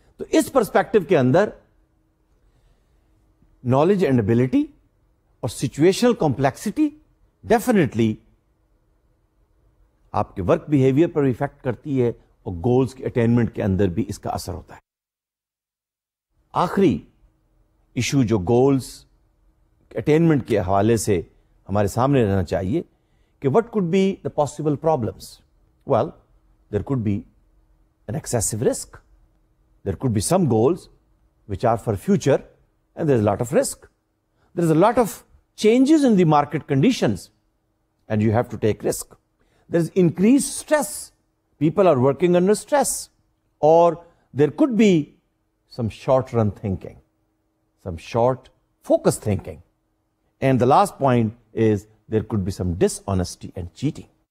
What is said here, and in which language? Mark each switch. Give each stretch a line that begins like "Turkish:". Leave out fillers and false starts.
Urdu: تو اس پرسپیکٹو کے اندر knowledge and ability اور سچویشنل کمپلیکسٹی ڈیفینیٹلی آپ کے ورک بیہیویئر پر افیکٹ کرتی ہے, اور گولز کے اٹینمنٹ کے اندر بھی اس کا اثر ہوتا ہے. آخری ایشو جو گولز اٹینمنٹ کے حوالے سے ہمارے سامنے رہنا چاہیے کہ
English: What could be the possible problems. Well there could be an excessive risk, there could be some goals which are for future and there is lot of risk, there is a lot of changes in the market conditions and you have to take risk. There is increased stress. People are working under stress. Or there could be some short-run thinking, some short-focused thinking. And the last point is there could be some dishonesty and cheating.